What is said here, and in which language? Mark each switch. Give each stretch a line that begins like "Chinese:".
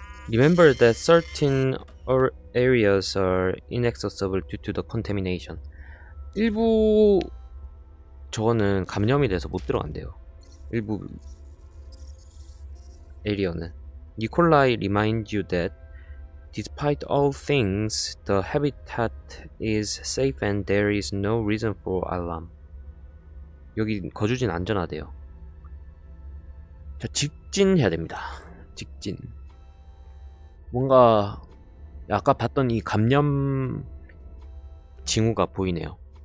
English: Remember that certain areas are inaccessible due to the contamination.
Korean: 일부 저거는 감염이 돼서 못 들어간대요. 일부 에리어는.
English: Nikolai reminds you that despite all things, the habitat is safe and there is no reason for alarm.
Korean: 여기 거주진 안전하대요. 자, 직진해야 됩니다. 직진. 뭔가 아까 봤던 이 감염 징후가 보이네요.